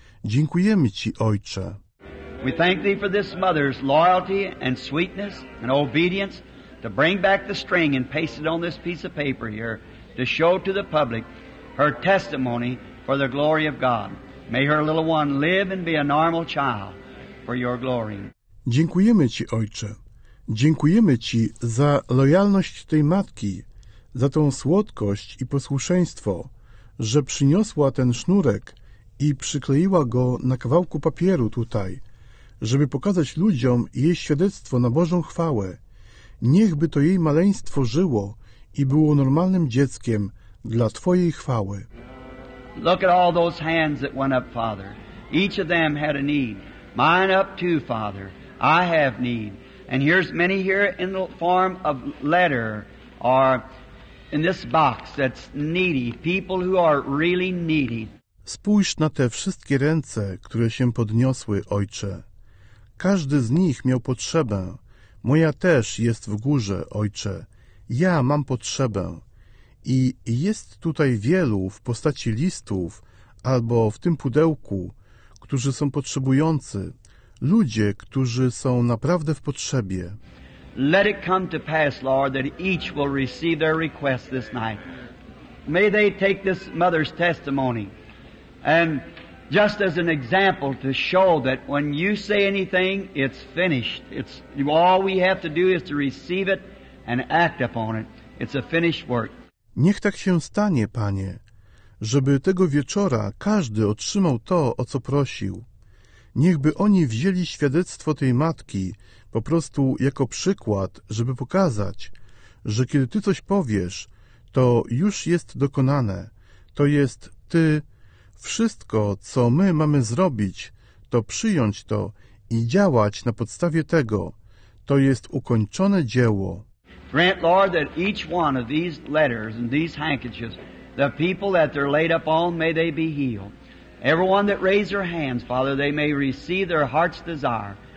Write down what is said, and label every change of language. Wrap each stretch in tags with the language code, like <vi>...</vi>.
<pl>Dziękujemy Ci, Ojcze.</pl> <en>We thank Thee for this mother's loyalty and sweetness and obedience to bring back the string and paste it on this piece of paper here to show to the public her testimony for the glory of God. May her little one live and be a normal child for Your glory.</en> <pl>Dziękujemy Ci, Ojcze. Dziękujemy Ci za lojalność tej matki, za tą słodkość i posłuszeństwo, że przyniosła ten sznurek i przykleiła go na kawałku papieru tutaj, żeby pokazać ludziom jej świadectwo na Bożą chwałę. Niechby to jej maleństwo żyło i było normalnym dzieckiem dla Twojej chwały.</pl> <en>Look at all those hands that went up, Father. Each of them had a need. Mine up too, Father. I have need. And here's many here in the form of letter or in this box that's needy, people who are really needy.</en> <pl>Spójrz na te wszystkie ręce, które się podniosły, Ojcze. Każdy z nich miał potrzebę. Moja też jest w górze, Ojcze. Ja mam potrzebę. I jest tutaj wielu w postaci listów albo w tym pudełku, którzy są potrzebujący. Ludzie, którzy są naprawdę w potrzebie.</pl> <en>Let it come to pass, Lord, that each will receive their request this night. May they take this mother's testimony and just as an example to show that when you say anything, it's finished. It's all we have to do is to receive it and act upon it. It's a finished work.</en> <pl>Niech tak się stanie, Panie, żeby tego wieczora każdy otrzymał to, o co prosił. Niechby oni wzięli świadectwo tej matki po prostu jako przykład, żeby pokazać, że kiedy Ty coś powiesz, to już jest dokonane. To jest Ty. Wszystko, co my mamy zrobić, to przyjąć to i działać na podstawie tego. To jest ukończone dzieło.</pl> <en>Grant, Lord, that each one of these letters and these handkerchiefs, the people that they're laid up on, may they be healed. Everyone that raised their hands, Father, they may receive their heart's desire.</en>